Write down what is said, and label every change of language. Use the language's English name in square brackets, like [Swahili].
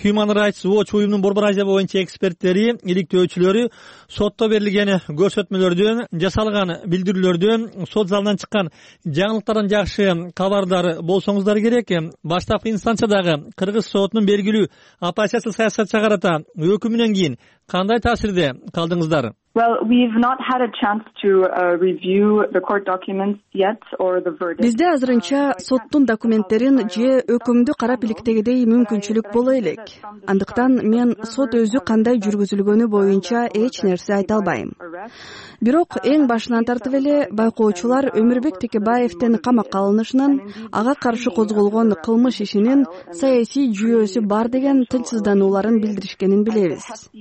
[Kyrgyz] Human Rights Watch уюмунун Борбор Азия боюнча эксперттери, иликтөөчүлөрү сотто берилген көрсөтмөлөрдөн, жасалган билдирүүлөрдөн, сот залынан чыккан жаңылыктардан жакшы кабардар болсоңуздар керек. Баштапкы инстанциядагы Кыргыз сотунун белгилүү оппозициячы саясатчыга карата өкүмүнөн кийин кандай таасирде калдыңыздар? [English] Well, we've not had a chance to review the court documents yet or the verdict. [Kyrgyz] Бизде азырынча соттун документтерин же өкүмдү карап иликтегендей мүмкүнчүлүк боло элек. Андыктан мен сот өзү кандай жүргүзүлгөнү боюнча эч нерсе айта албайм. Бирок эң башынан тартып эле байкоочулар Өмүрбек Текебаевдин камакка алынышынын, ага каршы козголгон кылмыш ишинин саясий жүйөсү бар деген тынчсыздануларын билдиришкенин билебиз.